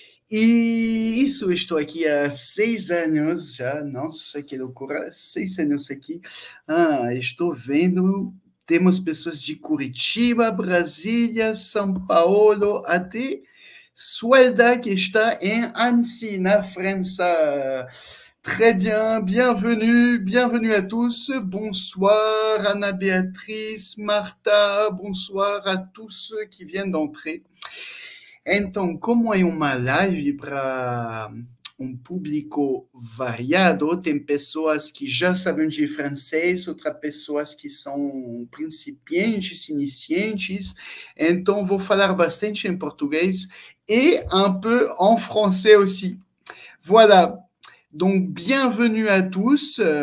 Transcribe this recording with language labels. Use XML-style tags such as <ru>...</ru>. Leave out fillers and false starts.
<pt>E isso, estou aqui há 6 anos já, nossa, que loucura, 6 anos aqui. Estou vendo... Temos pessoas de Curitiba, Brasília, São Paulo, até Suelda, que está em Annecy, na França.</pt> <fr>Très bien, bienvenue à tous. Bonsoir, Ana Beatriz, Marta, bonsoir à tous ceux qui viennent d'entrer.</fr> <pt>Então, como é uma live para um público variado, tem pessoas que já sabem de francês, outras pessoas que são principiantes, iniciantes, então vou falar bastante em português e</pt> <fr>um peu em français aussi. Voilà, donc bienvenue à tous.</fr>